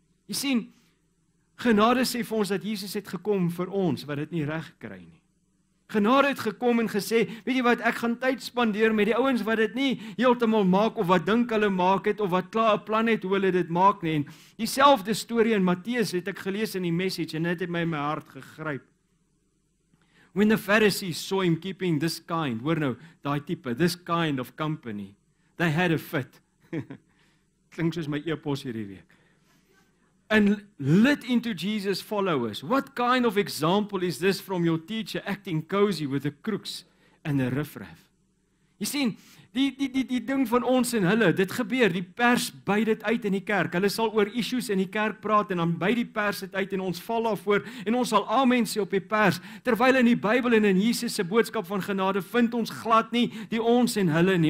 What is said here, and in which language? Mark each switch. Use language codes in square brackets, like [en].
[af] Jy sien, genade sê vir ons dat Jesus het gekom vir ons, wat dit nie reg kry nie. Genade het gekom en gesê, weet jy wat, ek gaan tyd spandeer met die ouens wat dit nie heeltemal maak of wat dink hulle maak het of wat klaar 'n plan het hoe hulle dit maak nie. En dieselfde storie in Matteus het ek gelees in die message en dit het my in my hart gegryp. [en] When the Pharisees saw him keeping this kind, [af] hoor nou, daai tipe, [en] this kind of company, they had a fit. [af] Klink soos my e-pos hierdie week. [en] And lit into Jesus' followers. What kind of example is this from your teacher acting cozy with the crooks and the riffraff? [af] Jy sien, die ding van ons en hulle, dit gebeur, die pers by dit uit in die kerk. Hulle sal oor issues in die kerk praat en dan by die pers dit uit en ons val daarvoor en ons sal amen sê op die pers. Terwyl in die Bybel en in Jesus se boodskap van genade vind ons glad nie die ons en hulle nie.